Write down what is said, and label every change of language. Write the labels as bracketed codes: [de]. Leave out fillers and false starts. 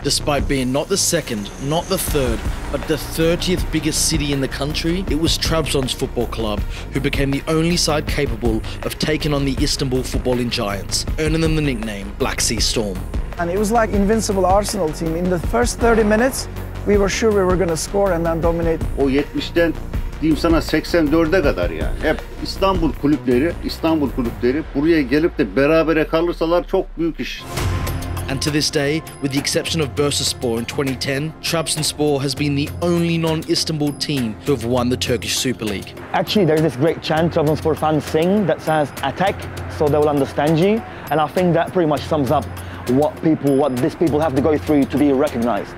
[en] Despite being not the second, not the third, but the 30th biggest city in the country, it was Trabzon's football club who became the only side capable of taking on the Istanbul footballing giants, earning them the nickname Black Sea Storm. And it was like invincible Arsenal team. In the first 30 minutes, we were sure we were going to score and then dominate. [tr] O 70'den diyeyim sana 84'e kadar yani. Hep İstanbul kulüpleri buraya gelip de berabere kalırsalar çok büyük iş. [en] And to this day, with the exception of Bursaspor in 2010, Trabzonspor has been the only non-Istanbul team to have won the Turkish Super League. Actually, there's this great chant Trabzonspor fans sing that says "Atak," so they will understand you. And I think that pretty much sums up what these people have to go through to be recognized.